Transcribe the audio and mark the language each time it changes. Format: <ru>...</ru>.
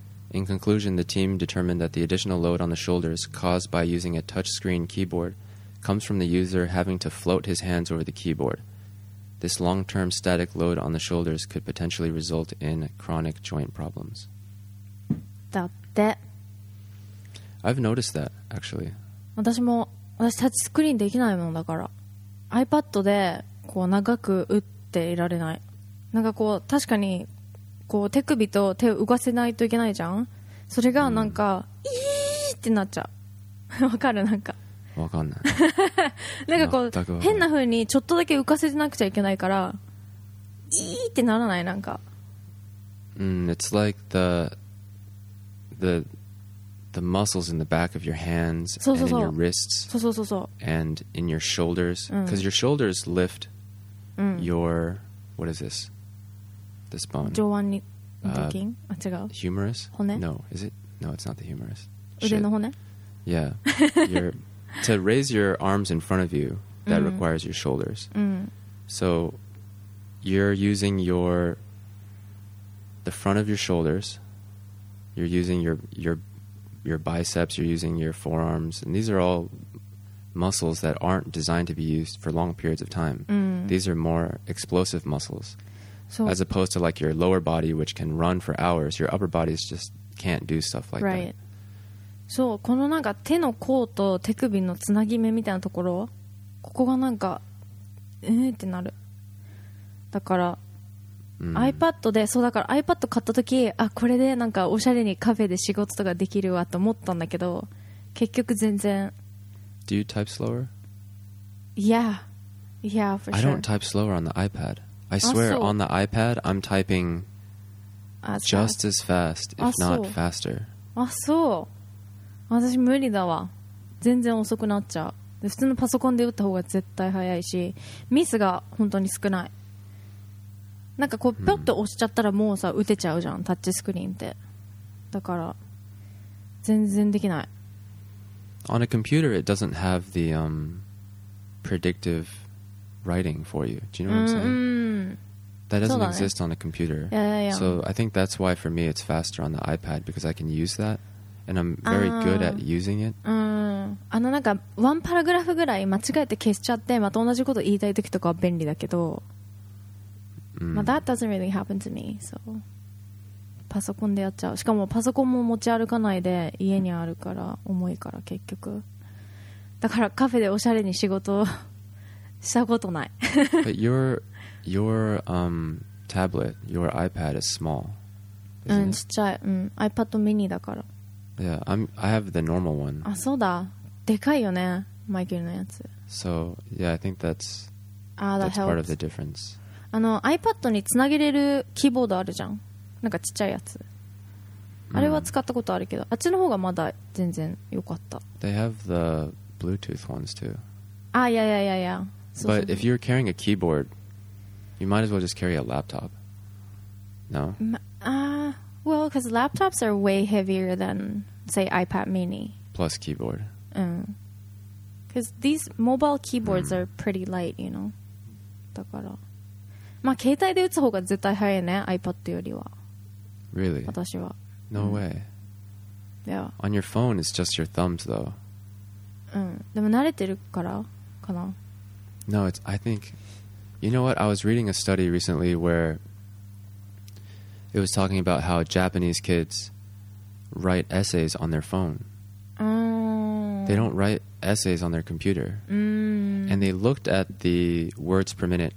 <en>In conclusion, the team determined that the additional load on the shoulders caused by using a touchscreen keyboard comes from the user having to float his hands over the keyboard. This long-term static load on the shoulders could potentially result in chronic joint problems. I've noticed that, actually.</en> <ja>私タッチスクリーンできないもんだから。iPad でこう長く打っていられない。なんかこう確かにこう手首と手を動かせないといけないじゃん。それがなんか、うん、イーってなっちゃう。わかる？なんか。わかんない。なんかこう変な風にちょっとだけ浮かせてなくちゃいけないから、イーってならない？なんか。</ja> <en>It's like the muscles in the back of your hands and in your wrists and in your shoulders, because your shoulders lift your what is this? This bone.</en> <ja>上腕に、違う。</ja> <en>Humerus?</en> <ja>骨?</ja> <en>No, is it? No, it's not the humerus.</en> <ja>腕の骨?</ja> <en>Yeah. To raise your arms in front of you, that requires your shoulders. So you're using the front of your shoulders. You're using your biceps, you're using your forearms, and these are all muscles that aren't designed to be used for long periods of time. These are more explosive muscles. So, as opposed to like your lower body, which can run for hours, your upper body just can't do stuff like that.</en> <ja>そう、このなんか手の甲と手首のつなぎ目みたいなところ、ここがなんか、ってなる。だから、iPad で、そうだから iPad 買ったとき、あ、これでなんかおしゃれにカフェで仕事とかできるわと思ったんだけど、結局全然。</ja> <en>Do you type slower? Yeah, for sure. I don't type slower on the iPad. I swear, on the iPad, I'm typing just as fast, if not faster.</en> <ja>あ、そう。私無理だわ。全然遅くなっちゃう。で、普通のパソコンで打った方が絶対早いし、ミスが本当に少ない。なんかこうピョッと押しちゃったらもうさ打てちゃうじゃん、タッチスクリーンって。だから全然できない。</ja> <en>On a computer, it doesn't have the predictive writing for you. Do you know what I'm saying? That doesn't exist on a computer. Yeah. So I think that's why for me it's faster on the iPad, because I can use that and I'm very good at using it.</en> <ja>あのなんかワンパラグラフぐらい間違えて消しちゃってまた同じこと言いたい時とかは便利だけど。まあ、</ja> <en>that doesn't really happen to me.</en> <ja>So, パソコンでやっちゃう。しかもパソコンも持ち歩かないで家にあるから重いから結局。だからカフェでおしゃれに仕事したことない。</ja> <en>But your tablet, your iPad is small.</en> <ja>ちっちゃい。iPad mini だから。</ja> <en>Yeah, I have the normal one.</en> <ja>あ、そうだ。でかいよね、マイケルのやつ。</ja> <en>So, yeah, I think that's part of the difference.</en> <ja>あの iPad につなげれるキーボードあるじゃん、なんかちっちゃいやつ、あれは使ったことあるけど、あっちの方がまだ全然良かった。</ja> <en>They have the Bluetooth ones too.</en> <ja>あ、いや</ja> <en>But if you're carrying a keyboard, you might as well just carry a laptop. No?</en> <ja>ああ、</ja> <en>Well, because laptops are way heavier than, say, iPad mini. Plus keyboard. Because these mobile keyboards are pretty light, you know.</en> <ja>だから。まあ、携帯で打つ方が絶対早いね、iPad よりは。</ja> <en>Really?</en> <ja>私は。</ja> <en>No way. Yeah. On your phone, it's just your thumbs, though.</en> <ja>でも慣れてるからかな。</ja> <en>No, it's, I think, you know what? I was reading a study recently where it was talking about how Japanese kids write essays on their phone. They don't write essays on their computer. And they looked at the words per minute.</en>